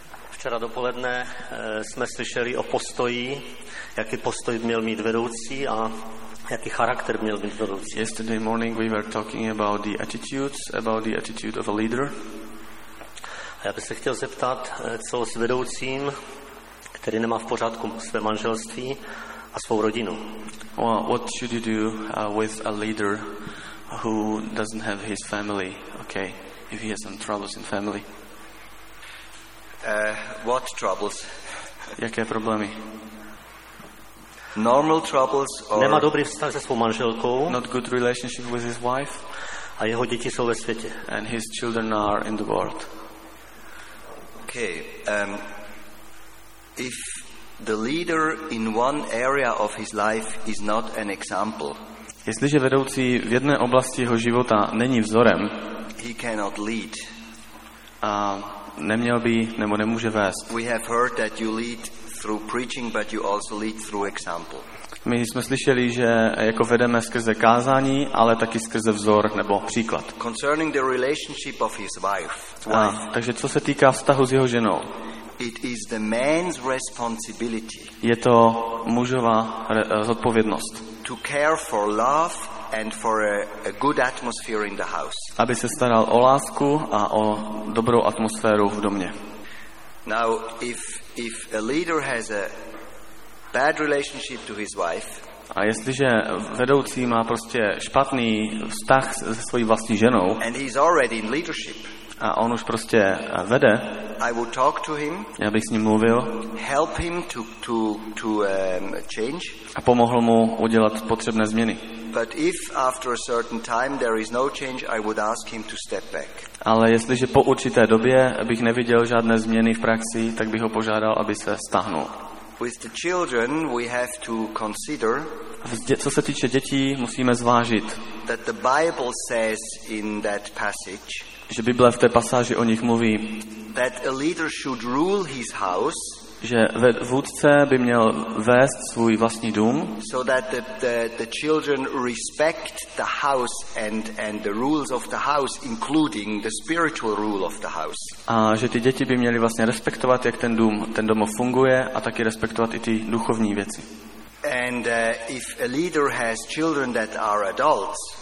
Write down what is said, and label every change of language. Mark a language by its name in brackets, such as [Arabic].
[Czech] Včera dopoledne jsme slyšeli o postoji, jaký postoj měl mít vedoucí a jaký charakter měl být vedoucí. [English] Yesterday morning we were talking about the attitudes, about the attitude of a leader. [Czech] A já bych se chtěl zeptat, co s vedoucím, který nemá v pořádku své manželství a svou rodinu. [English] Well, what should you do with a leader who doesn't have his family, okay, if he has some troubles in family? What troubles? [Czech] Jaké problémy? [English] Normal troubles or [Czech] nemá dobrý vztah se svou manželkou. [English] Not good relationship with his wife. [Czech] A jeho děti jsou ve světě. [English] And his children are in the world. Okay. If the leader in one area of his life is not an example. [Czech] Jestliže vedoucí v jedné oblasti jeho života není vzorem. [English] He cannot lead. [Czech] A neměl by nebo nemůže vést. [English] We have heard that you lead through preaching, but you also lead through example. [Czech] My jsme slyšeli, že jako vedeme skrze kázání, ale taky skrze vzor nebo příklad. [English] Concerning the relationship of his wife. [Czech] Takže co se týká vztahu s jeho ženou? [English] It is the man's responsibility. [Czech] Je to mužova zodpovědnost. [English] To care for love and for a good atmosphere in the house. [Czech] Aby se staral o lásku a o dobrou atmosféru v domě. [English] Now if a leader has a bad relationship to his wife, [Czech] a jestliže vedoucí má prostě špatný vztah se svojí vlastní ženou, [English] and he's already in leadership, [Czech] a on už prostě vede, [English] I would talk to him, [Czech] já bych s ním mluvil, [English] help him to change, [Czech] a pomohl mu udělat potřebné změny. [English] But if after a certain time there is no change, I would ask him to step back. [Czech] Ale jestliže po určité době bych neviděl žádné změny v praxi, tak bych ho požádal, aby se stáhnul. [English] With the children we have to consider. [Czech] Co se týče dětí, musíme zvážit. [English] That the Bible says in that passage. [Czech] Že Bible v té pasáži o nich mluví. [English] That a leader should rule his house. [Czech] Že vůdce by měl vést svůj vlastní dům, [English] so that the children respect the house and the rules of the house, including the spiritual rule of the house. [Czech] A že ty děti by měly vlastně respektovat, jak ten dům, ten domov funguje, a taky respektovat i ty duchovní věci. [English] And if a leader has children that are adults,